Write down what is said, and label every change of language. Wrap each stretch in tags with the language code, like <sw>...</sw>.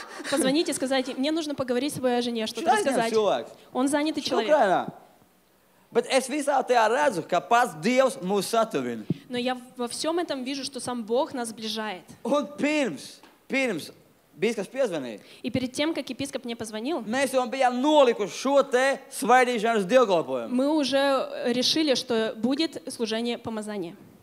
<ru>Позвоните, сказать, мне нужно поговорить с твоей жене, что-то сказать. Он занятый человек.</ru> <lv>Украина. Bet es visā tajā redzu, ka pats Dievs mūs satuvina.</lv> <ru>Но я во всем этом вижу, что сам Бог нас сближает.</ru> <lv>Un pirms Bīskaps piezvanīja.</lv> <ru>И перед тем, как епископ мне позвонил,</ru> <lv>mēs jau bijām nolikuši šo te svaidīšanas dievkalpojumu.</lv> <ru>Мы уже решили, что будет служение помазания.</ru>